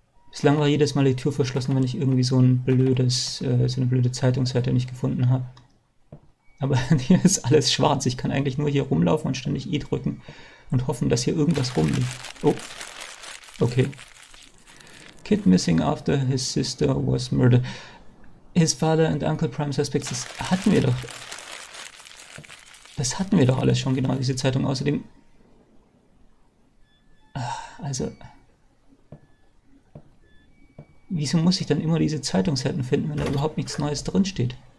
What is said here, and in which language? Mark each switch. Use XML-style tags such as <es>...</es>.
<de>Bislang war jedes Mal die Tür verschlossen, wenn ich irgendwie so eine blöde Zeitungsseite nicht gefunden habe. Aber hier ist alles schwarz. Ich kann eigentlich nur hier rumlaufen und ständig E drücken und hoffen, dass hier irgendwas rumliegt. Oh, okay.</de> <en>Kid missing after his sister was murdered. His father and uncle prime suspects.</en> <de>Das hatten wir doch. Das hatten wir doch alles schon, genau diese Zeitung. Außerdem. Also. Wieso muss ich dann immer diese Zeitungsseiten finden, wenn da überhaupt nichts Neues drinsteht?</de>